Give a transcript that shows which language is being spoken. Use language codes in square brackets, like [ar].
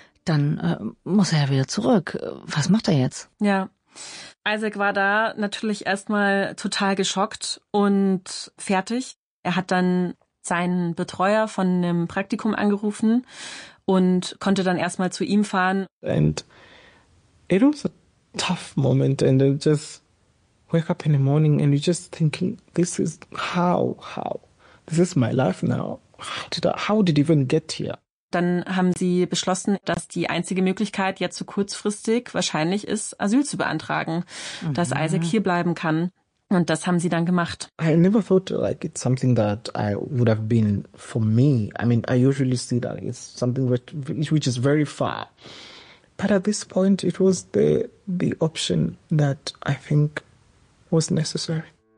[de] Dann muss er ja wieder zurück. Was macht er jetzt? Ja, Isaac war da natürlich erstmal total geschockt und fertig. Er hat dann seinen Betreuer von einem Praktikum angerufen und konnte dann erstmal zu ihm fahren. [en] And it was a tough moment and it just, wake up in the morning and you're just thinking, this is how? This is my life now. How did I even get here? [de] Dann haben sie beschlossen, dass die einzige Möglichkeit jetzt so kurzfristig wahrscheinlich ist, Asyl zu beantragen, dass Isaac hier bleiben kann. Und das haben sie dann gemacht. [en] I never thought like it's something that I would have been for me. I mean, I usually see that it's something which is very far. But at this point, it was the option that I think was necessary.